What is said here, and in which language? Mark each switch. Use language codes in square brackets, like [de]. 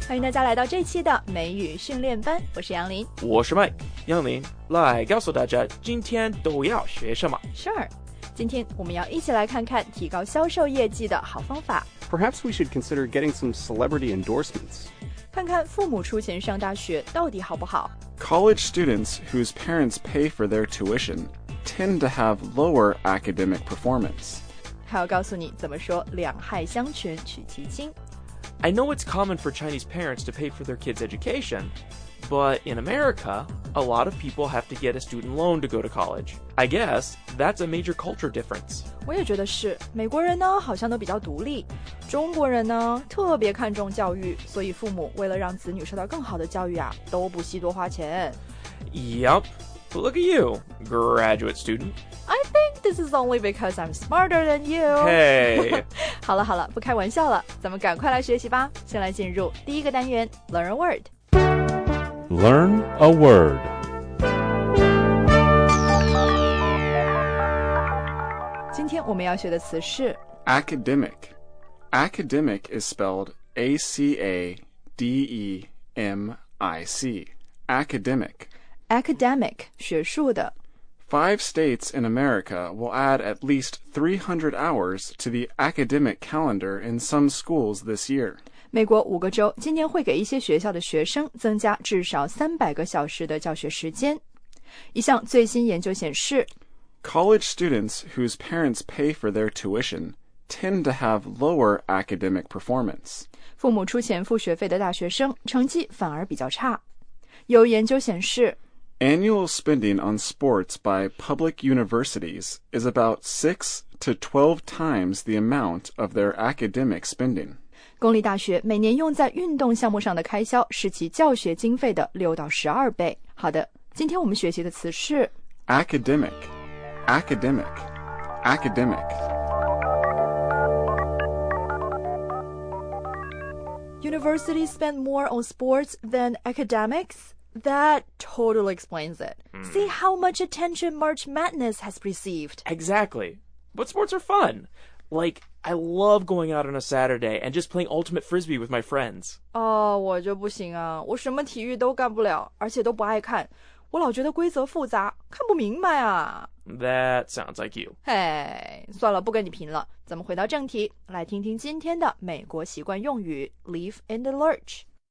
[zh] 家来到这期的美语训练班，我是杨林，我是麦杨林，来告诉大家今天都要学什么。 Sure， 今天我们要一起来看看提高销售业绩的好方法。 [en] Perhaps we should consider getting some celebrity endorsements， [zh] 看看父母出钱上大学到底好不好。 [en] College students whose parents pay for their tuition tend to have lower academic performance。 [zh] 还要告诉你怎么说两害相权取其轻。 [en] I know it's common for Chinese parents to pay for their kids' education, but in America, a lot of people have to get a student loan to go to college. I guess that's a major culture difference. [zh] 我也觉得是，美国人呢好像都比较独立，中国人呢特别看重教育，所以父母为了让子女受到更好的教育啊，都不惜多花钱。 [en] Yep, but look at you, graduate student. I think this is only because I'm smarter than you. Hey. [zh] 好了好了，不开玩笑了，咱们赶快来学习吧。先来进入第一个单元 , [en] Learn a Word. Learn a Word. [zh] 今天我们要学的词是 [en] Academic. Academic is spelled A-C-A-D-E-M-I-C. Academic. [zh] Academic, 学术的。 [en] Five states in America will add at least 300 hours to the academic calendar in some schools this year. [zh] 美国五个州今年会给一些学校的学生增加至少300个小时的教学时间。一项最新研究显示， [en] College students whose parents pay for their tuition tend to have lower academic performance. [zh] 父母出钱付学费的大学生成绩反而比较差。有研究显示， [en] Annual spending on sports by public universities is about 6 to 12 times the amount of their academic spending. [zh] 公立大学每年用在运动项目上的开销是其教学经费的6到12倍。好的，今天我们学习的词是 [en] academic, academic, academic. Universities spend more on sports than academics? That totally explains it. See how much attention March Madness has received. Exactly. But sports are fun. Like, I love going out on a Saturday and just playing Ultimate Frisbee with my friends. [zh] Oh, 我就不行啊。我什么体育都干不了，而且都不爱看。我老觉得规则复杂，看不明白啊。 [en] That sounds like you. [zh] Hey, 算了，不跟你贫了。咱们回到正题，来听听今天的美国习惯用语 Leave and Lurch。